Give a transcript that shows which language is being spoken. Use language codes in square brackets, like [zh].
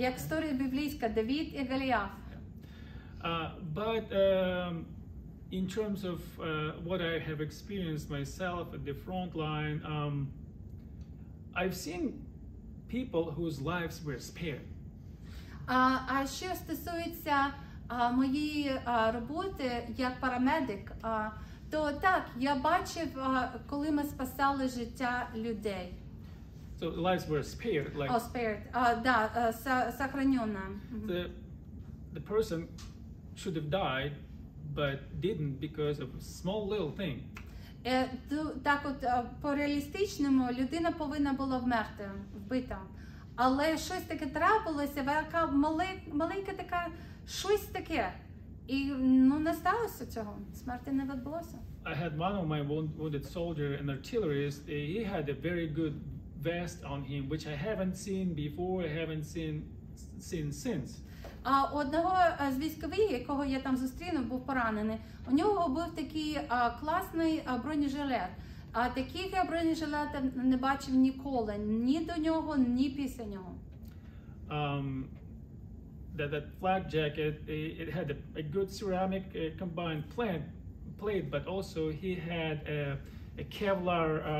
[uk] Як історія біблійська, Давид і Голіаф. [en] But in terms of what I have experienced myself at the front line, I've seen people whose lives were spared. [uk] А що стосується моєї роботи як парамедик, то так, я бачив, коли ми спасали життя людей. [en] So lives were spared. Like... Oh, spared. [ru] Да, сохранена. [en] The person should have died, but didn't because of a small little thing. [uk] Так от, по-реалістичному, людина повинна була вмерти, вбита. Але щось таке трапилося, яка маленька така, щось таке. І не сталося цього, смерті не відбулося. [en] I had one of my wounded soldier, an artillerist, he had a very good vest on him, which I haven't seen before, I haven't seen since. [uk] А одного з військових, якого я там зустрінув, був поранений, у нього був такий класний бронежилет. А таких я бронежилетів не бачив ніколи, ні до нього, ні після нього. [en] That flak jacket, it had a good ceramic combined plate, but also he had a Kevlar